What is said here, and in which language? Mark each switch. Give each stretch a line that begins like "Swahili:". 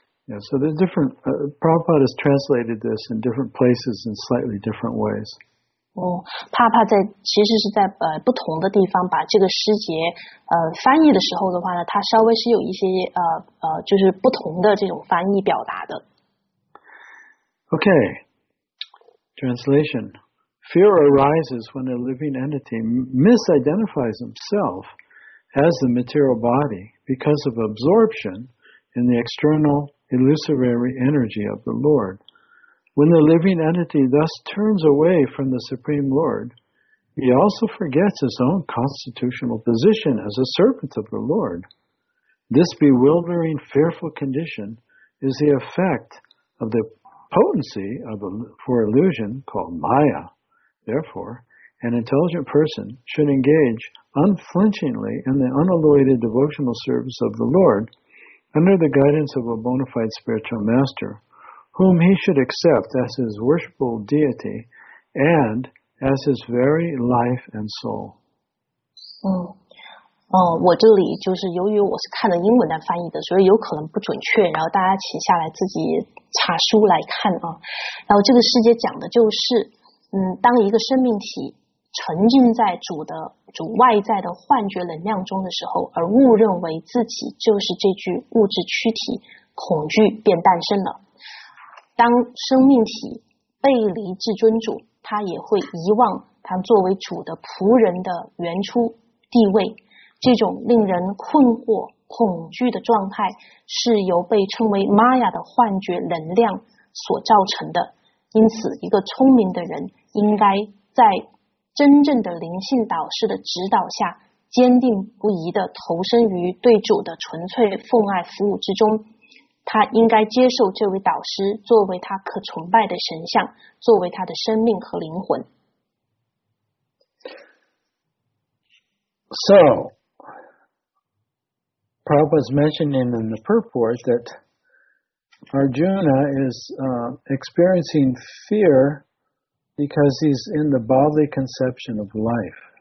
English: Yeah, so there's different, Prabhupada has translated this in different places in slightly different ways.
Chinese: Prabhupada 在其实是在不同的地方把这个诗节翻译的时候的话呢，它稍微是有一些就是不同的这种翻译表达的。
English: Okay. Translation. Fear arises when a living entity misidentifies himself as the material body because of absorption in the externalIllusory energy of the Lord. When the living entity thus turns away from the Supreme Lord, he also forgets his own constitutional position as a servant of the Lord. This bewildering, fearful condition is the effect of the potency for illusion called Maya. Therefore, an intelligent person should engage unflinchingly in the unalloyed devotional service of the Lord. Under the guidance of a bona fide spiritual master, whom he should accept as his worshipful deity and as his very life and soul.
Chinese: 我这里就是由于我是看了英文来翻译的，所以有可能不准确，然后大家请下来自己查书来看啊。然后这个世界讲的就是，当一个生命体沉浸在主外在的幻觉能量中的时候，而误认为自己就是这具物质躯体，恐惧便诞生了。当生命体背离至尊主，他也会遗忘他作为主的仆人的原初地位。这种令人困惑、恐惧的状态，是由被称为玛雅的幻觉能量所造成的。因此，一个聪明的人应该在真正的灵性导师的指导下，坚定不移地投身于对主的纯粹奉爱服务之中。他应该接受这位导师作为他可崇拜的神像，作为他的生命和灵魂。
English: So, Prabhupada's mentioning in the purport that Arjuna is experiencing fear. Because he's in the bodily conception of life.